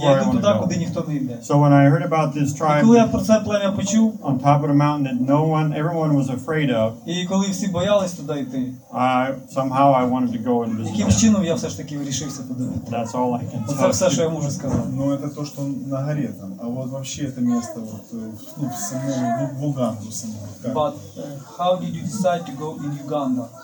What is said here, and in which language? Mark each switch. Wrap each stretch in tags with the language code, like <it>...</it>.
<uk>Я йду туди, куди ніхто не йде.</uk> <en>So when I heard about this tribe,</en> <uk>коли я про це плем'я почув,</uk> <en>on top of the mountain that everyone was afraid of.</en> <uk>І коли всі боялись туди йти.</uk> <en>Somehow I wanted to go and visit.</en> <uk>Яким чином я все ж таки вирішився туди.</uk> <en>That's all I can say.</en> <uk>Це все, що я можу сказати. Ну, це то, що на горі там. А от вообще це місце в самому в Уганді саме.</uk> <en>But how did you decide to go in Uganda?</en>